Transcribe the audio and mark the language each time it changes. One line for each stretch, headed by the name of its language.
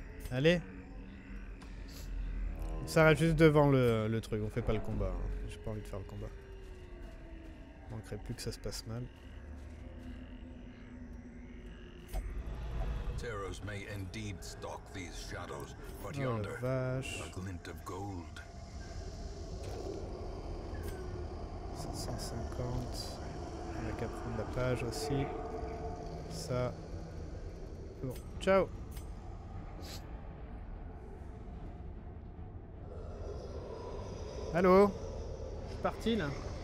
French: Allez. On s'arrête juste devant le truc, on fait pas le combat. Hein. J'ai pas envie de faire le combat. Il manquerait plus que ça se passe mal.
English: Terrors may indeed stalk these shadows, but yonder a glint of gold.
French: 750. On a qu'à prendre la page aussi. Ça. Bon. Ciao. Allô ? Je suis parti là ?